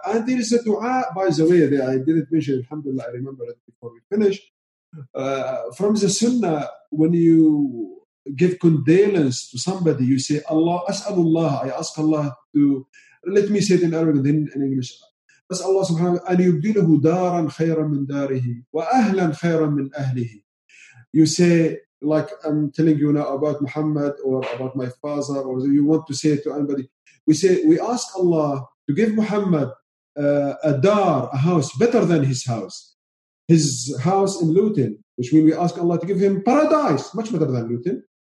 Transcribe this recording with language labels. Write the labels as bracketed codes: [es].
[en] And there is a dua, by the way, that I didn't mention, alhamdulillah, I remember it before we finish. From the sunnah, when you give condolence to somebody, you say, Allah, as'alullah, I ask Allah to, let me say it in Arabic and then in English. [ar] بس الله سبحانه أن يبدله دارا خيرا من داره وأهلا خيرا من أهله. [en] You say, like I'm telling you now about Muhammad or about my father, or you want to say it to anybody. We say, we ask Allah to give Muhammad a dar, a house better than his house. His house in Luton, which means we ask Allah to give him paradise, much better than Luton.